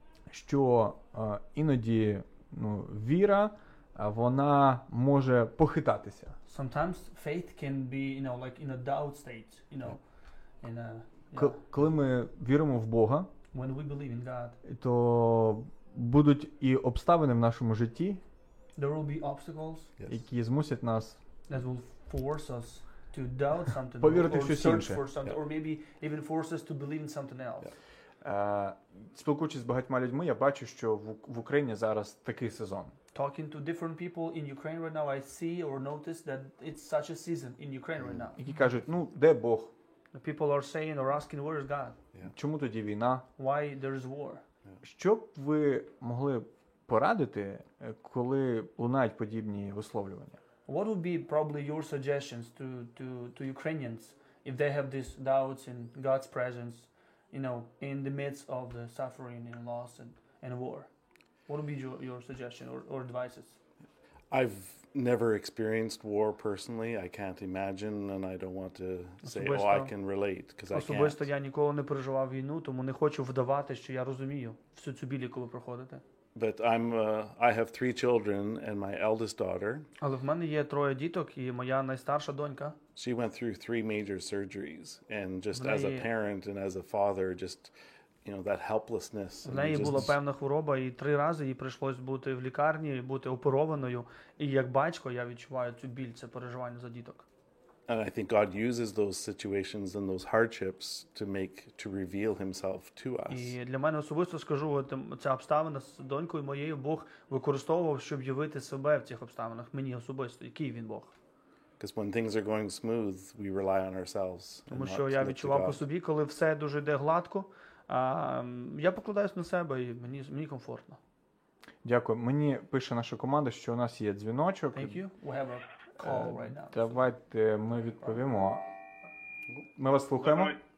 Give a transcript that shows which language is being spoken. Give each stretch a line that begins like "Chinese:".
Ukrainian: Що іноді віра вона може похитатися.
English: Sometimes faith can be, you know, like in a doubt state, you know, in a, yeah.
Ukrainian: Коли ми віримо в Бога,
English: when we believe in God,
Ukrainian: то будуть і обставини в нашому житті,
English: there will be obstacles,
Ukrainian: які змусять нас
English: that will force us to doubt something,
Ukrainian: повірити
English: or
Ukrainian: щось
English: search for something, yeah. Or maybe even force us to believe in something else. Yeah.
Ukrainian: Спілкуючись з багатьма людьми, я бачу, що в Україні зараз такий сезон.
English: Talking to different people in Ukraine right now, I see or notice that it's such a season in Ukraine right now.
Ukrainian: Які кажуть, ну, де Бог?
English: People are saying or asking, where is God? Yeah.
Ukrainian: Чому тоді війна?
English: Why there is war? Yeah.
Ukrainian: Що б ви могли порадити, коли лунають подібні висловлювання?
English: What would be probably your suggestions to Ukrainians if they have these doubts in God's presence, you know, in the midst of the suffering and loss and war? What would be your suggestion or advices? I've never experienced war personally. I can't imagine, and I don't want to say, oh, I can relate, because I can't.
Ukrainian: Особисто я ніколи не переживав війну, тому не хочу вдавати, що я розумію всю цю біль, яку ви проходите.
English: But I have three children and my eldest daughter.
Ukrainian: Але в мене є троє діток і моя найстарша донька.
English: She went through three major surgeries and just as a parent and as a father, just, you know, that helplessness.
Ukrainian: В неї була певна хвороба і три рази їй прийшлось бути в лікарні, бути оперованою, і як батько я відчуваю цю біль, це переживання за діток.
English: And I think God uses those situations and those hardships to reveal himself to us.
Ukrainian: І для мене особисто скажу, от ця обставина з донькою моєю Бог використовував, щоб явити себе в цих обставинах мені особисто, який він Бог.
English: Because when things are going smooth, we rely on ourselves.
Ukrainian: Тому що я відчував по собі, коли все дуже йде гладко, я покладаюсь на себе і мені комфортно. Дякую. Мені пише наша команда, що у нас є дзвіночок.
English: Thank you. We have a... Right now.
Ukrainian: Давайте ми відповімо. Ми вас слухаємо.